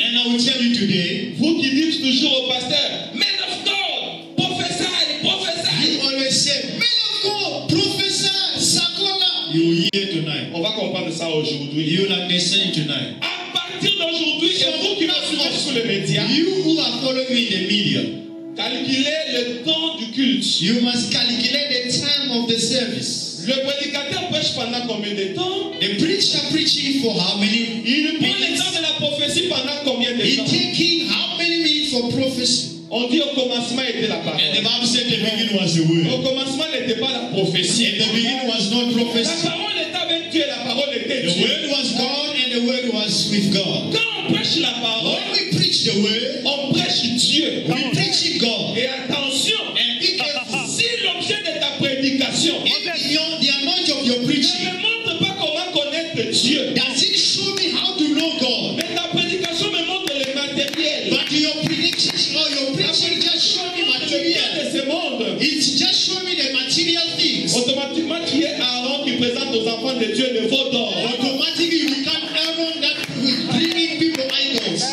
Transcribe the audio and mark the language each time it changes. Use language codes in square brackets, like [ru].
[en] and I will tell you today, [fr] vous qui dites toujours au pasteur, [en] man of God, prophesy, prophesy. You always say, man of God, prophesy, sakola. You will hear tonight. [fr] On va comprendre ça aujourd'hui. [en] You will understand tonight. [fr] À partir d'aujourd'hui, c'est vous qui m'avez suivi sur les médias. [en] You who are following me in the media. [fr] Calculez le temps du culte. [en] You must calculate the time of the service. [fr] Le prédicateur prêche pendant combien de temps? [en] The preacher preaching for how many? [fr] Il prend le temps de la prophétie pendant combien de temps? [en] He taking how many minutes for prophecy? [fr] On dit au commencement était la parole. [en] And the Bible said the beginning was the word. [fr] Au commencement n'était pas la prophétie. [en] And the beginning was not prophecy. [fr] La parole était avec Dieu, la parole était [en] Dieu. The word was God and the word was with God. [fr] Quand on prêche la parole, [en] when we preach the word, [fr] on prêche Dieu. [en] We preach God. [fr] Et attention, [en] and be careful. [fr] Si l'objet de ta prédication, [en] okay, the amount of your preaching, [fr] ne me montre pas comment connaître Dieu. [en] Does it show me how to know God? [fr] Mais ta prédication me montre le matériel. [en] But your prediction or your preaching just show me material. It just show me the material things. [fr] Automatiquement, tu es Aaron qui présente aux enfants de Dieu le veau d'or. [en] Automatically, you become Aaron that is bringing people idols.